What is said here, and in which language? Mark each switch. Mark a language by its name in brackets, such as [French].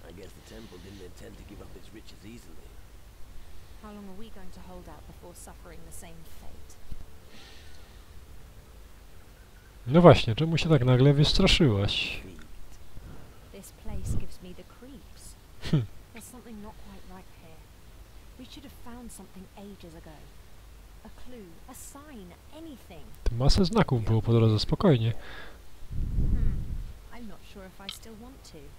[English] says the temple didn't intend to give up its riches easily. How long are we going to hold out before suffering the same fate? [Polish] No właśnie, czemu się tak nagle wystraszyłaś? [English] This place gives me the creeps. There's something not quite right here. We should have found something ages ago. A clue, a sign, anything. [Polish] Masę znaków było po drodze, spokojnie. [English] I'm not sure if I still want to.